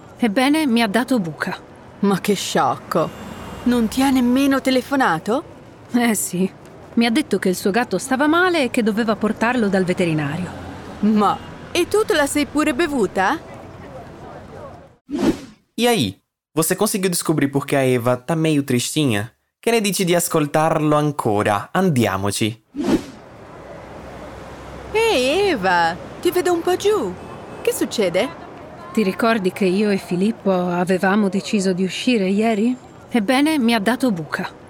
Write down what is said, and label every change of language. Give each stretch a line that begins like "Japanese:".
Italian: Ebbene, mi ha dato buca. Ma che sciocco! Non ti ha nemmeno telefonato? Eh sì. Mi ha detto che il suo gatto stava male e che doveva portarlo dal veterinario. Ma... e tu te la sei pure bevuta?
Portuguese: E aí? Você conseguiu descobrir perché a Eva tá meio tristinha?
Italian: Che ne dici di ascoltarlo ancora? Andiamoci! Eva, ti vedo un po' giù. Che succede? Ti ricordi che io e Filippo avevamo deciso di uscire ieri? Ebbene, mi ha dato buca.